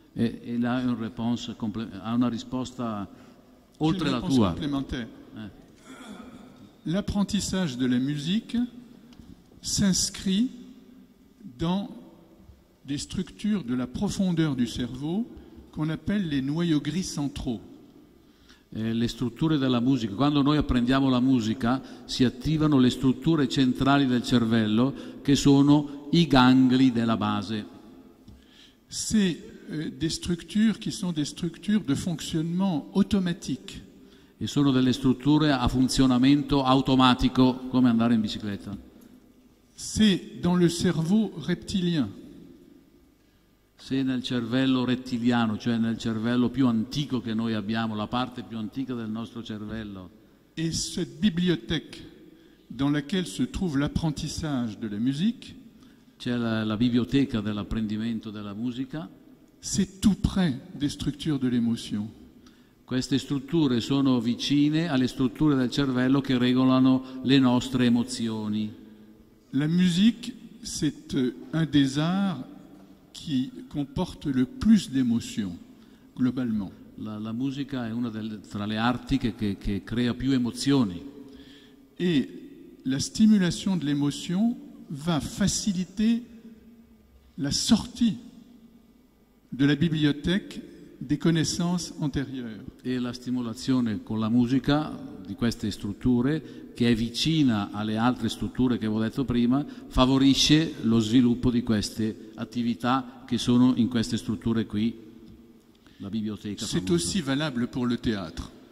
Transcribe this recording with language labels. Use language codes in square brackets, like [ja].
[fr] Et là, une réponse complémentaire, une réponse outre [it] la tua. [fr] Complémentaire. L'apprentissage de la musique s'inscrit dans des structures de la profondeur du cerveau qu'on appelle les noyaux gris centraux. [it] Le strutture della musica, quando noi apprendiamo la musica, si attivano le strutture centrali del cervello che sono i gangli della base. [fr] C'est des structures qui sont des structures de fonctionnement automatique. [it] E sono delle strutture a funzionamento automatico, come andare in bicicletta. [fr] C'est dans le cerveau reptilien. [it] Se nel cervello rettiliano, cioè nel cervello più antico che noi abbiamo, la parte più antica del nostro cervello. [fr] Et cette bibliothèque dans laquelle se trouve l'apprentissage de la musique, [it] c'è la biblioteca dell'apprendimento della musica. [fr] C'est tout près des structures de l'émotion. [it] Queste strutture sono vicine alle strutture del cervello che regolano le nostre emozioni. [fr] La musique, c'est un des arts qui comporte le plus d'émotions globalement. [it] La musica è una delle tra le arti che crea più emozioni. [fr] Et la stimulation de l'émotion va faciliter la sortie de la bibliothèque des connaissances antérieures. [it] E la stimolazione con la musica di queste strutture, che è vicina alle altre strutture che avevo detto prima, favorisce lo sviluppo di queste attività che sono in queste strutture qui, la biblioteca. [fr] C'est aussi valable pour le théâtre.